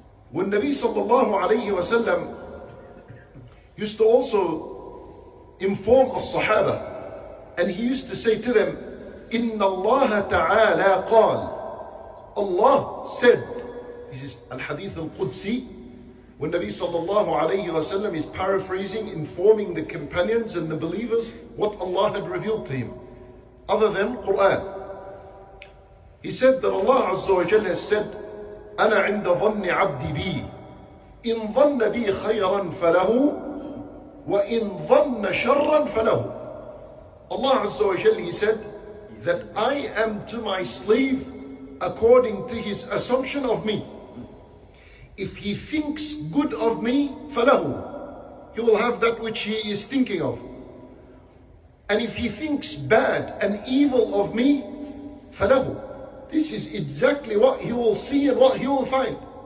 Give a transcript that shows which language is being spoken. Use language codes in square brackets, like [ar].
[en] When Nabi sallallahu alayhi wa sallam used to also inform as-sahaba, and he used to say to them, [ar] إِنَّ اللَّهَ تَعَالَى قَالْ. [en] Allah said, this is al-hadith al-Qudsi, when Nabi sallallahu alayhi wa sallam is paraphrasing, informing the companions and the believers what Allah had revealed to him, other than Qur'an. He said that Allah azza wa jalla has said, [ar] أَنَا عِنْدَ ظَنِّ عَبْدِ بِي إِنْ ظَنَّ بِي خَيْرًا فَلَهُ وَإِنْ ظَنَّ شَرًّا فَلَهُ. [en] Allah Azza wa Jalla, he said that I am to my slave according to his assumption of me. If he thinks good of me, falahu, he will have that which he is thinking of. And if he thinks bad and evil of me, falahu, this is exactly what he will see and what he will find.